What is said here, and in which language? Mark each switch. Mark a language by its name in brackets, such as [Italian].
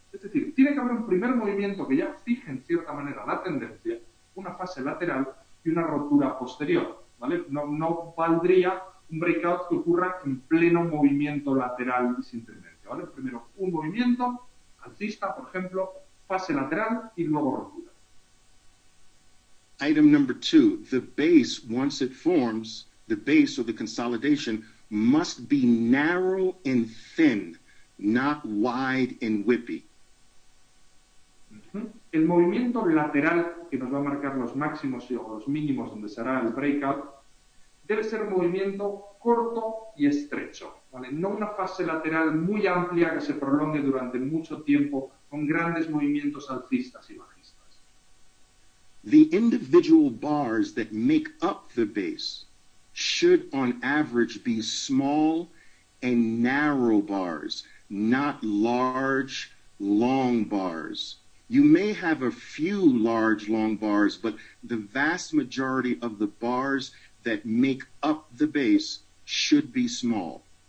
[Spanish] Es decir, tiene que haber un primer movimiento que ya fije en cierta manera la tendencia, una fase lateral y una rotura posterior, ¿vale? No valdría un breakout que ocurra en pleno movimiento lateral y sin tendencia, ¿vale? Primero un movimiento, alcista, por ejemplo, fase lateral y luego rotura. [English] Item number two, the base, once it forms, the base or the consolidation must be narrow and thin, not wide and whippy. [Spanish] El movimiento lateral que nos va a marcar los máximos y los mínimos donde será el breakout debe ser un movimiento corto y estrecho, ¿vale? No una fase lateral muy amplia que se prolongue durante mucho tiempo con grandes movimientos alcistas y bajistas. [English] The individual bars that make up the base should on average be small and narrow bars, not large, long bars. You may have a few large, long bars, but the vast majority of the bars that make up the base should be small.